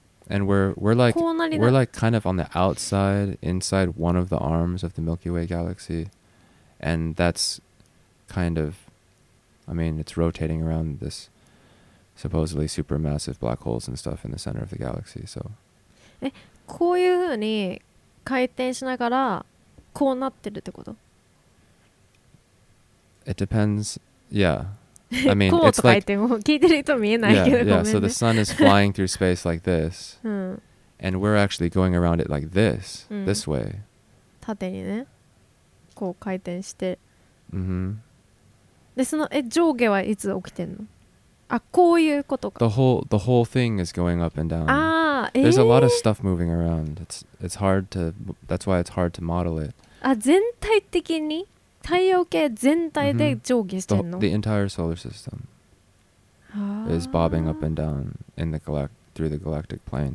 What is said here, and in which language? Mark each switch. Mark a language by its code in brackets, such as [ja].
[en] And we're like kind of on the outside, inside one of the arms of the Milky Way galaxy. And that's kind of, I mean, it's rotating around this supposedly supermassive black holes and stuff in the center of the galaxy, so... [ja] こういうふうに回転しながらこうなってるってこと？ [en] It depends. Yeah. I mean, [ja] こうとか言っても聞いてる人見えないけど、ごめんね。 [en] Yeah, so the sun is flying through space like this. And we're actually going around it like this. This way. [ja] 縦にね。こう回転して。 Mm-hmm. で、その、え、上下はいつ起きてんの？あ、こういうことか。 [en] The whole thing is going up and down. There's a lot of stuff moving around. It's hard to... That's why it's hard to model it. [ja] あ、全体的に？太陽系全体で上下してんの？ [en] The entire solar system is bobbing up and down through the galactic plane.